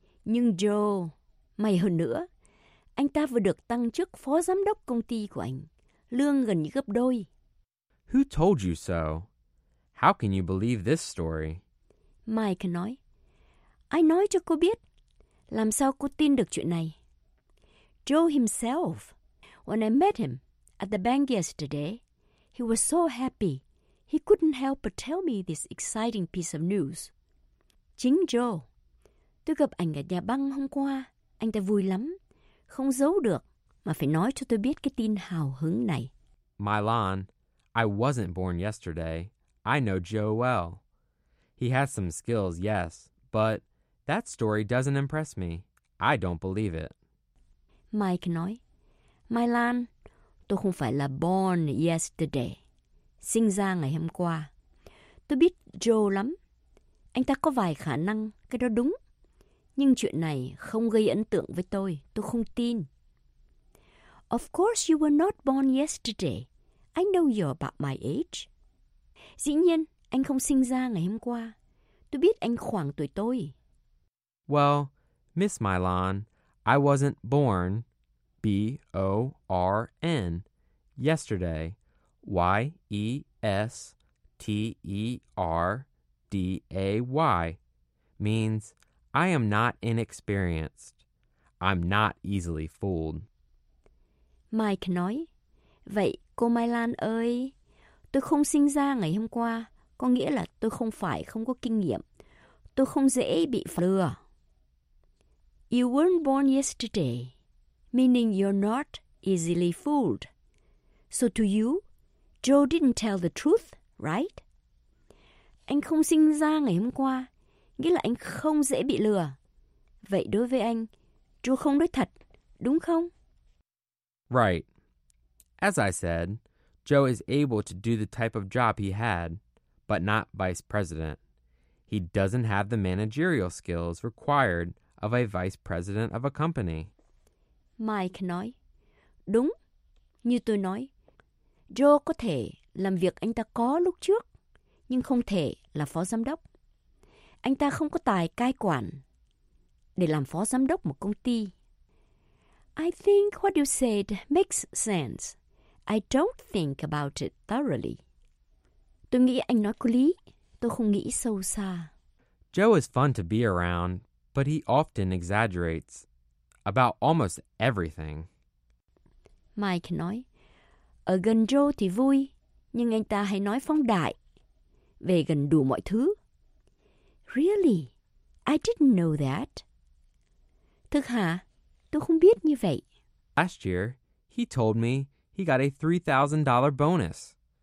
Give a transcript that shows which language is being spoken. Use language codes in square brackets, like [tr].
[vi] Nhưng Joe, may hơn nữa, anh ta vừa được tăng chức phó giám đốc công ty của anh, lương gần như gấp đôi. [en] Who told you so? How can you believe this story? [vi] Mike nói, ai nói cho cô biết? Làm sao cô tin được chuyện này? [en] Joe himself. When I met him at the bank yesterday, he was so happy. He couldn't help but tell me this exciting piece of news. [vi] Chính Joe. Tôi gặp anh ở nhà băng hôm qua. Anh ta vui lắm. Không giấu được, mà phải nói cho tôi biết cái tin hào hứng này. [en] Milan, I wasn't born yesterday. I know Joe well. He has some skills, yes, but that story doesn't impress me. I don't believe it. [vi] Mike nói, Milan, tôi không phải là [en] born yesterday. [vi] Sinh ra ngày hôm qua. Tôi biết Joe lắm. Anh ta có vài khả năng, cái đó đúng. Nhưng chuyện này không gây ấn tượng với tôi. Tôi không tin. [en] Of course you were not born yesterday. I know you're about my age. [vi] Dĩ nhiên, anh không sinh ra ngày hôm qua. Tôi biết anh khoảng tuổi tôi. [en] Well, Miss Milan, I wasn't born, B-O-R-N, yesterday, Y-E-S-T-E-R-D-A-Y, means I am not inexperienced. I'm not easily fooled. [vi] Mike nói, vậy cô Mai Lan ơi, tôi không sinh ra ngày hôm qua, có nghĩa là tôi không phải không có kinh nghiệm. Tôi không dễ bị lừa. [en] You weren't born yesterday, meaning you're not easily fooled. So to you, Joe didn't tell the truth, right? [vi] Anh không sinh ra ngày hôm qua, nghĩa là anh không dễ bị lừa. Vậy đối với anh, Joe không nói thật, đúng không? [en] Right. As I said, Joe is able to do the type of job he had, but not vice president. He doesn't have the managerial skills required of a vice president of a company. [vi] Mike nói, đúng, như tôi nói, Joe có thể làm việc anh ta có lúc trước, nhưng không thể là phó giám đốc. Anh ta không có tài cai quản để làm phó giám đốc một công ty. [en] I think what you said makes sense. I don't think about it thoroughly. [vi] Tôi nghĩ anh nói có lý, tôi không nghĩ sâu xa. [en] Joe is fun to be around, but he often exaggerates about almost everything. [vi] Mike nói, ở gần Joe thì vui, nhưng anh ta hay nói phóng đại về gần đủ mọi thứ. [en] Really? I didn't know that. [vi] Thực hả? Tôi không biết như vậy. [en] Last year, he told me he got a $3,000 bonus.